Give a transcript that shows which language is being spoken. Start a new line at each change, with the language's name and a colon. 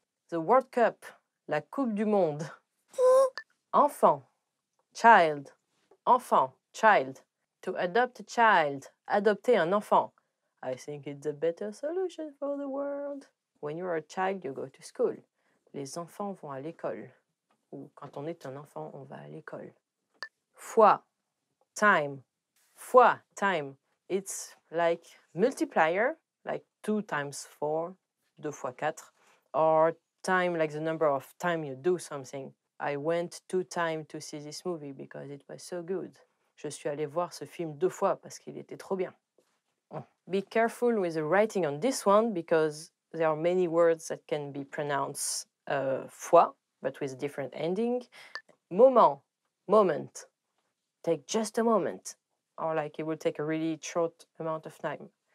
English: The World Cup.
French: La Coupe du Monde.
English: Enfant. Child. Enfant. Child. To adopt a child.
French: Adopter un enfant.
English: I think it's a better solution for the world. When you are a child, you go to school.
French: Les enfants vont à l'école. Ou quand on est un enfant, on va à l'école.
English: Foi. Time. Foi, time. It's like multiplier, like 2 times 4,
French: 2 fois 4.
English: Or time, like the number of time you do something. I went 2 times to see this movie because it was so good.
French: Je suis allé voir ce film 2 fois parce qu'il était trop bien.
English: Be careful with the writing on this one because there are many words that can be pronounced foi, but with a different ending. Moment, moment. Take just a moment, or like it will take a really short amount of time.